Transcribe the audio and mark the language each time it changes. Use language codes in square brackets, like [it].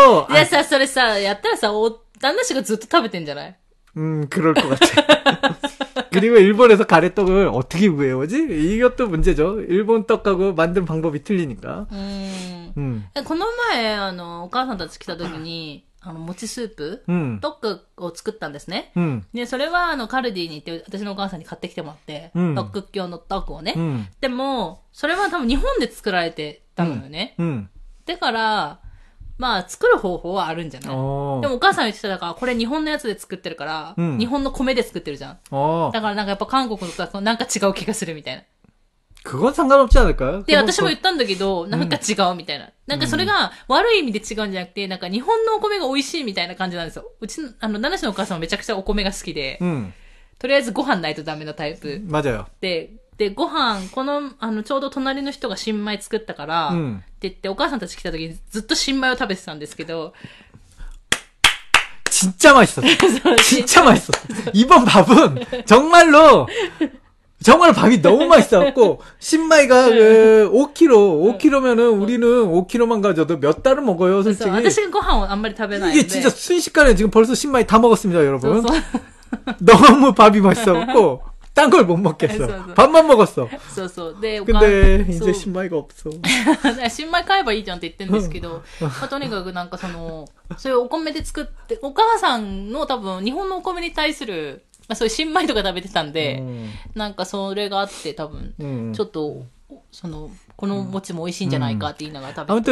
[ja] いやさそれさやったらさお旦那氏がずっと食べてんじゃない [ko] 그럴것같아 그리고일본에서가래떡을어떻게외우지이것도문제죠일본떡하고만든방법이틀리니까 [ja] この前あのお母さんたち来た時にあの餅スープ、トックを作ったんですね。でそれはあのカルディに行って私のお母さんに買ってきてもらって、トック用のトックをね。でもそれは多分日本で作られてたのよね。だからまあ作る方法はあるんじゃない。でもお母さん言ってたからこれ日本のやつで作ってるから、日本の米で作ってるじゃん。だからなんかやっぱ韓国のとはなんか違う気がするみたいな。 [ko] 그건상관없지않을까요 [ja] で、私も言ったんだけど、なんか違うみたいな。なんかそれが悪い意味で違うんじゃなくて、なんか日本のお米が美味しいみたいな感じなんですよ。うちの、あの、ナナシのお母さんはめちゃくちゃお米が好きで、とりあえずご飯ないとダメなタイプ。 [ko] 맞아요。 [ja] で、ご飯、この、あの、ちょうど隣の人が新米作ったから、って言ってお母さんたち来た時にずっと新米を食べてたんですけど、 [ko] 진짜맛있었어。 진짜맛있었어。 이번밥은、정말로、정말밥이너무맛있어갖고신米가 5kg 5kg 면은우리는 5kg 만가져도몇달을먹어요솔직히 아저씨는 [ja] ご飯をあんまり食べない [ko] 이게진짜순식간에지금벌써신米다먹었습니다여러분 너무밥이맛있어갖고딴걸못먹겠어 밥만먹었어 네 근데이제신米가없어 [ja] 신米買えばいいじゃんって言ってるんですけど まとにかくなんかそのそういうお米で作ってお母さんの多分日本のお米に対するまあそういう新米とか食べてたんで、なんかそれがあって多分、ちょっと、その、この餅も美味しいんじゃないかって言いながら食べて